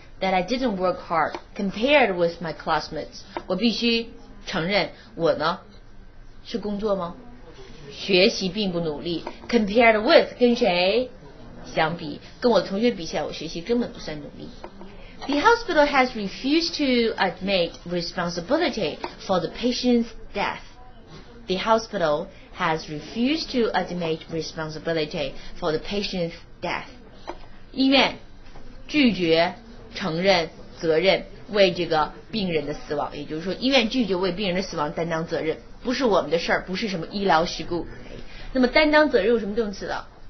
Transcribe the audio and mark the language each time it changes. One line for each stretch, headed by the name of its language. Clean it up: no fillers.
English: that I didn't work hard compared with my classmates.
Chinese: 我必须承认我呢是工作吗？学习并不努力。 Compared with 跟谁相比？跟我的同学比起来，我学习根本不算努力。
English: The hospital has refused to admit responsibility for the patient's death. The hospital has refused to admit responsibility for the patient's death.
Chinese: 医院拒绝承认责任为这个病人的死亡，也就是说医院拒绝为病人的死亡担当责任，不是我们的事儿，不是什么医疗事故。那么担当责任有什么动词的？